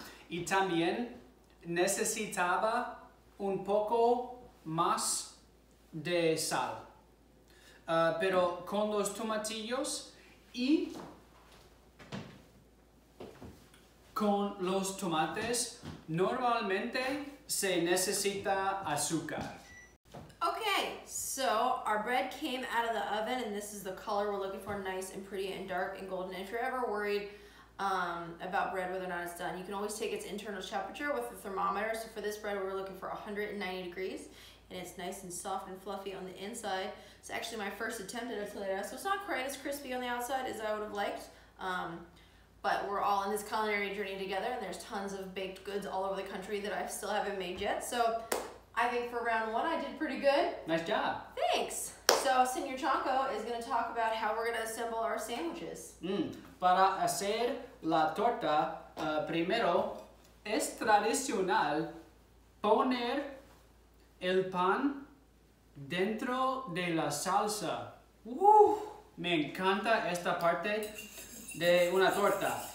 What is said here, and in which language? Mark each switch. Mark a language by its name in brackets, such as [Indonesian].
[Spanish] Y también necesitaba un poco más de sal. Pero con los tomatillos y con los tomates, normalmente se necesita azúcar. [English] Okay, so our bread came out of the oven and this is the color we're looking for, nice and pretty and dark and golden. If you're ever worried about bread, whether or not it's done, you can always take its internal temperature with the thermometer. So for this bread, we're looking for 190 degrees. And it's nice and soft and fluffy on the inside. It's actually my first attempt at a teleras, so it's not quite as crispy on the outside as I would have liked. But we're all on this culinary journey together, and there's tons of baked goods all over the country that I still haven't made yet. So I think for round one, I did pretty good. Nice job. Thanks. So Señor Chanco is gonna talk about how we're gonna assemble our sandwiches. [Spanish] Para hacer la torta, primero es tradicional poner el pan dentro de la salsa. Me encanta esta parte de una torta.